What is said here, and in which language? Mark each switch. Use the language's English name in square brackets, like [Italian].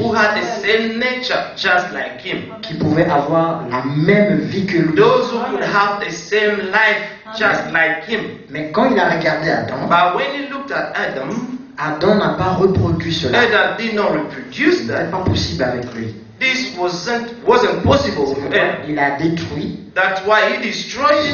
[English] who had the same nature just like him, [French] qui pouvaient avoir la même vie que lui, [English] those who could have the same life just like him. [French] Mais quand il a regardé Adam, [English] but when he looked at Adam, [French] Adam n'a pas reproduit cela. [English] Adam did not reproduce that. [French] C'est pas possible avec lui. [English] This wasn't possible. [French] Il a détruit. [English] That's why he destroyed